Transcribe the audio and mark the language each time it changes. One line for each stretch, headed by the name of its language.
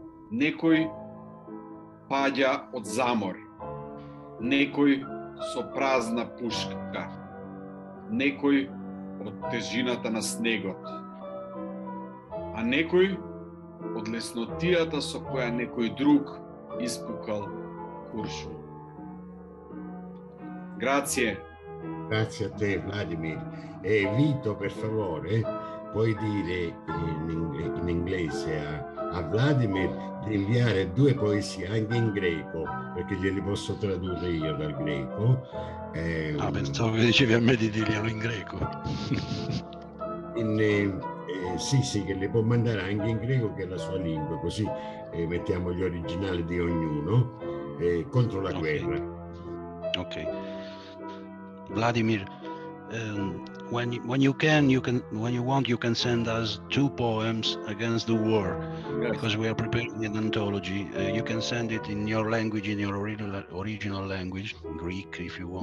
Macedonian: Некој паѓа од замор, некој со празна пушка, некој од тежината на снегот, а некој од леснотијата со која некој друг испукал куршум.
Italian: Грација. Grazie a te, Vladimir. E Vito, per favore, puoi dire in inglese a Vladimir di inviare due poesie anche in greco, perché gliele posso tradurre io dal greco. Ah, pensavo che dicevi a me di dirglielo in greco. Sì, che le può mandare anche in greco, che è la sua lingua, così mettiamo gli originali di ognuno, contro la guerra. Ok.
English: Vladimir, when you want you can send us two poems against the war. Yes. Because we are preparing an anthology. You can send it in your language, in your original language, Greek, if you want.